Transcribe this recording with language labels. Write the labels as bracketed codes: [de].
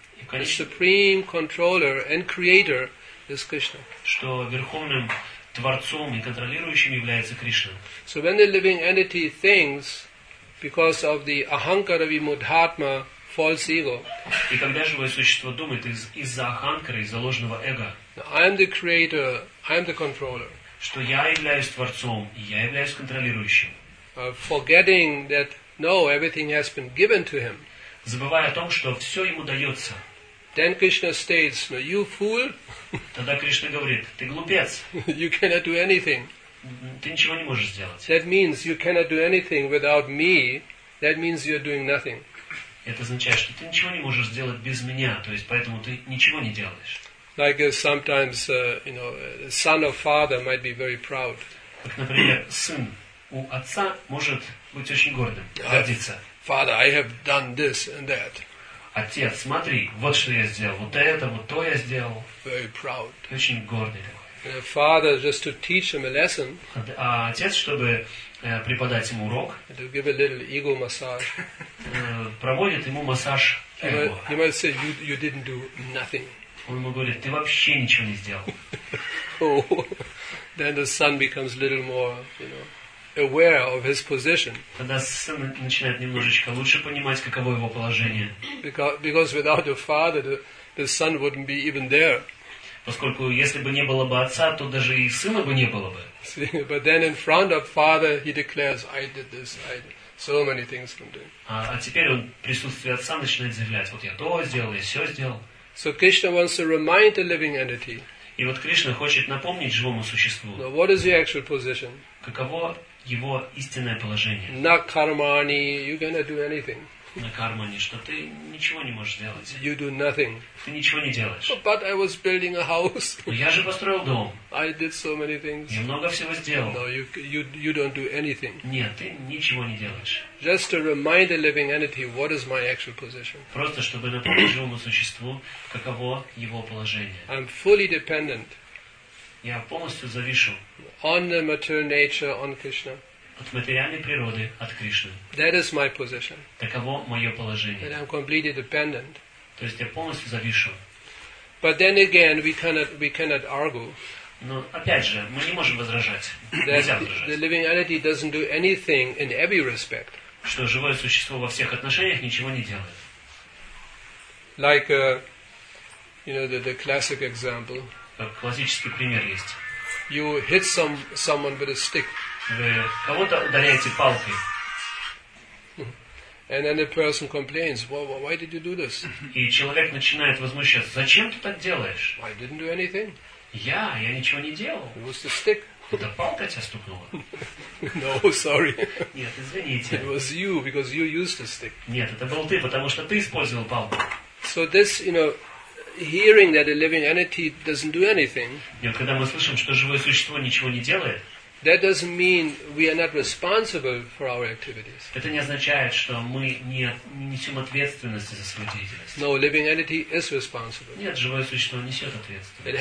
[en] The supreme controller and creator is Krishna. [ru] Что верховным творцом и контролирующим является Кришна. [en] So when the living entity thinks because of the ahankara vimudhatma, false ego. [ru] И когда живое существо думает из-за аханкары, из-за ложного эго. [en] I am the creator, I am the controller. [ru] Что я являюсь творцом, и я являюсь контролирующим. [en] Forgetting that no, everything has been given to him. [ru] Забывая о том, что все ему дается. [en] Then Krishna states, no, you fool. [ru] Тогда Кришна говорит, ты глупец. [en] You cannot do anything. [ru] Ты ничего не можешь сделать. [en] That means you cannot do anything without me. That means you are doing nothing. [ru] Это означает, что ты ничего не можешь сделать без меня, то есть поэтому ты ничего не делаешь. [en] Like sometimes, you know, a son or father might be very proud. [ru] Как, например, сын у отца может быть очень гордым, гордиться. [en] Father, I have done this and that. [ru] Отец, смотри, вот что я сделал, вот это, вот то я сделал. [en] Very proud. [ru] Очень гордый. [en] Father, just to teach him a lesson. [ru] А отец, чтобы преподать ему урок. [en] To give a little ego massage. [ru] Проводит ему массаж эго. [en] He might say, you didn't do nothing. [ru] Он ему говорит, ты вообще ничего не сделал. [en] Then the son becomes a little more, you know, aware of his position. [ru] Тогда сын начинает немножечко лучше понимать, каково его положение. [en] Because without the father, the son wouldn't be even there. [ru] Поскольку если бы не было бы отца, то даже и сына бы не было бы. [en] But then in front of father, he declares, I did this, I did so many things from doing. [ru] А теперь он в присутствии отца начинает заявлять, вот я то сделал, я все сделал. [en] So Krishna wants to remind the living entity. [ru] И вот Кришна хочет напомнить живому существу. [en] Now, what is your actual position? [ru] Каково его истинное положение? На кармане, [en] you cannot do anything. [ru] На кармане, что ты ничего не можешь сделать. [en] You do nothing. [ru] Ты ничего не делаешь. [en] Oh, but I was building a house. [ru] Но я же построил дом. [en] I did so many things. [ru] Я много всего сделал. [en] No, you don't do anything. [ru] Нет, ты ничего не делаешь. [en] Just to remind the living entity what is my actual position. [ru] Просто чтобы напомнить живому существу, каково его положение. [en] I'm fully dependent. [ru] Я полностью завишу. [en] On the material nature, on Krishna. [ru] От материальной природы, от Кришны. [en] That is my position. [ru] Таково мое положение. [en] That I'm completely dependent. [ru] То есть я полностью завишу. [en] But then again, we cannot argue. [ru] Но опять же, мы не можем возражать. Нельзя возражать. [en] The living entity doesn't do anything in every respect. [ru] Что живое существо во всех отношениях ничего не делает. [en] Like, you know, the classic example. [ru] Как классический пример есть. [en] You hit someone with a stick. [ru] Вы кого-то ударяете палкой. [en] And then the person complains, why did you do this? [ru] И человек начинает возмущаться. Зачем ты так делаешь? [en] I didn't do anything. [ru] Я ничего не делал. [en] It was the stick. [ru] Это палка тебя стукнула. [en] No, sorry. [ru] Нет, извините. [en] It was you, because you used the stick. [ru] Нет, это был ты, потому что ты использовал палку. [en] So this, you know, hearing that a living entity doesn't do anything. [ru] Нет, когда мы слышим, что живое существо ничего не делает. [en] That doesn't mean we are not responsible for our activities. [ru] Это не означает, что мы не несем ответственности за свою деятельность. [en] No, living entity is responsible. [ru] Нет, живое существо несет ответственность.